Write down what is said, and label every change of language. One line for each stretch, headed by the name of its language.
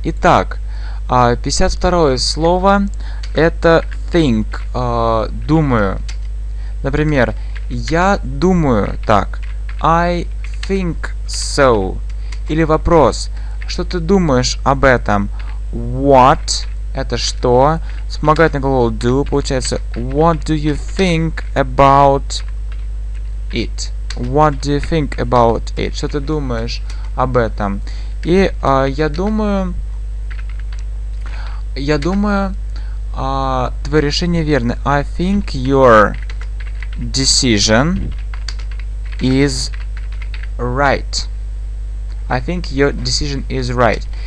Russian: Итак, 52-е слово это think, думаю. Например, я думаю так.
English: I think so.
Russian: Или вопрос, что ты думаешь об этом?
English: What?
Russian: Это что? Вспомогательный глагол
English: do
Russian: получается
English: what do you think about it? What do you think about it?
Russian: Что ты думаешь об этом? И я думаю, твое решение верно.
English: I think your decision is right. I think your decision is right.